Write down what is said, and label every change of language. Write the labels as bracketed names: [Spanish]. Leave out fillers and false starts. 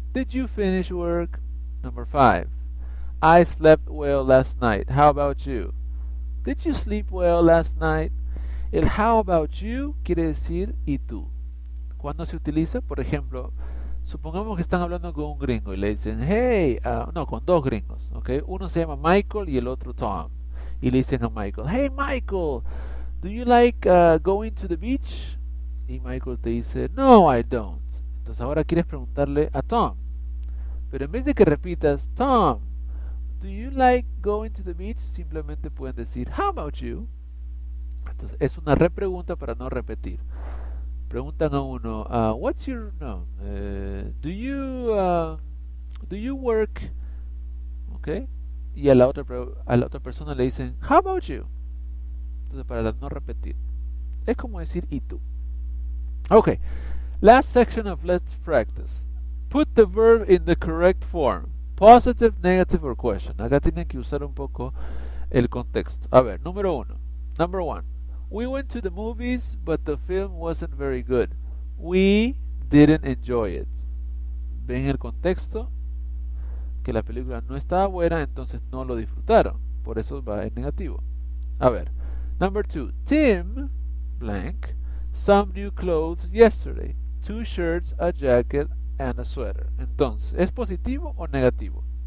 [English] Did you finish work? Number 5. I slept well last night. How about you? Did you sleep well last night? [Spanish] El how about you quiere decir ¿y tú? ¿Cuándo se utiliza? Por ejemplo, supongamos que están hablando con un gringo y le dicen, hey, no, con dos gringos, ¿ok? Uno se llama Michael y el otro Tom. Y le dicen a Michael, [English] hey, Michael, do you like going to the beach? [Spanish] Y Michael te dice, [English] no, I don't. [Spanish] Entonces ahora quieres preguntarle a Tom. Pero en vez de que repitas, [English] Tom, do you like going to the beach? [Spanish] Simplemente pueden decir, [English] how about you? [Spanish] Entonces, es una repregunta para no repetir. Preguntan a uno, [English] what's your name? Do you work? Okay. [Spanish] Y a la otra persona le dicen, [English] how about you? [Spanish] Entonces, para no repetir. Es como decir, ¿y tú? Okay. [English] Last section of Let's Practice. Put the verb in the correct form. Positive, negative, or question. [Spanish] Acá tienen que usar un poco el contexto. A ver, número uno. [English] Number one. We went to the movies, but the film wasn't very good. We didn't enjoy it. [Spanish] Ven el contexto, que la película no estaba buena, entonces no lo disfrutaron. Por eso va en negativo. A ver, [English] number two. Tim, blank, some new clothes yesterday. Two shirts, a jacket, and a sweater. [Spanish] Entonces, ¿es positivo o negativo?